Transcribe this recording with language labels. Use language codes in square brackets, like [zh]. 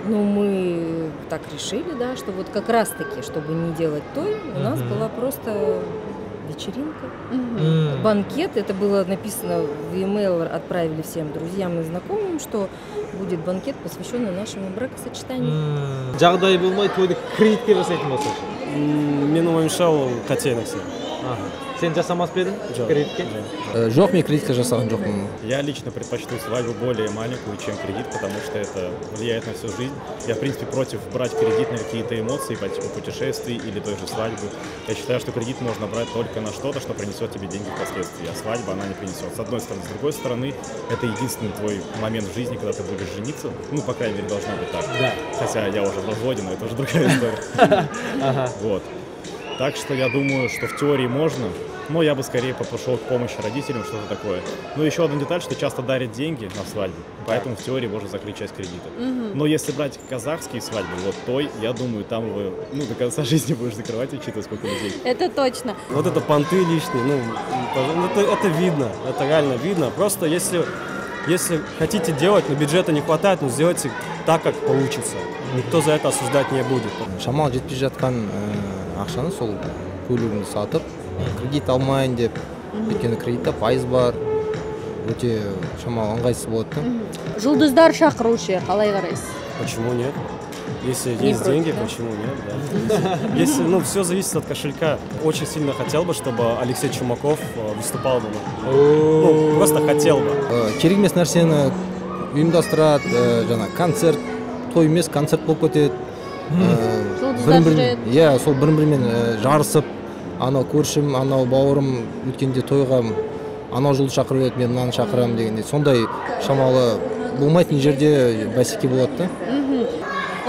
[ru] Ну, мы так решили, да, что вот как раз таки, чтобы не делать той, у нас была просто... вечеринка, банкет. Это было написано в e-mail, отправили всем друзьям и знакомым, что будет банкет, посвященный нашему бракосочетанию. [kk] Жағдай болмай, тойды кредит жасайтын болса? Мен ойымша ол қате нәрсе. Сен жасамас па едің кредитке? Жоқ, мен кредитке жасаған жоқпын. [ru] Я лично предпочту свадьбу более маленькую, чем кредит, потому что это влияет на всю жизнь. Я, в принципе, против брать кредит на какие-то эмоции, по типу путешествий или той же свадьбы. Я считаю, что кредит можно брать только на что-то, что принесет тебе деньги впоследствии, а свадьба она не принесет. С одной стороны, с другой стороны, это единственный твой момент в жизни, когда ты будешь жениться. Ну, по крайней мере, должно быть так. Да. Хотя я уже в разводе, но это уже другая история. Вот. Так что я думаю, что в теории можно, но я бы скорее попрошел помощи родителям, что-то такое. Ну, еще одна деталь, что часто дарят деньги на свадьбу, поэтому в теории можно закрыть часть кредита. Но если брать казахские свадьбы, вот той, я думаю, там вы ну, до конца жизни будешь закрывать, учитывая, сколько людей. Это точно. Вот это понты лишние, ну, это видно, это реально видно. Просто если хотите делать, но бюджета не хватает, ну, сделайте так, как получится. Никто за это осуждать не будет. [kk] Шамал, где пиджаткан... ақшаны сол көлігін сатып, кредит алмайын деп, өйткені кредитте пайыз бар, өте шамалы ыңғайсыз болады. Жұлдыздар шақырушы, қалай қарайсыз? [ru] Почему нет? Если есть деньги, почему нет? Да. Если, ну, все зависит от кошелька. Очень сильно хотел бы, чтобы Алексей Чумаков выступал бы. Ну, просто хотел бы. [kk] Керек емес нәрсені ұйымдастырат, жаңа концерт, той емес концерт болып кетеді. Жұлдыздар жүреді. Иә, сол бір-бірімен жарысып, анау көршім, анау бауырым өткенде тойға анау жұлдыз шақырып еді, мен мынаны шақырамын дегенде. Сондай шамалы болмайтын жерде бәсеке болады да.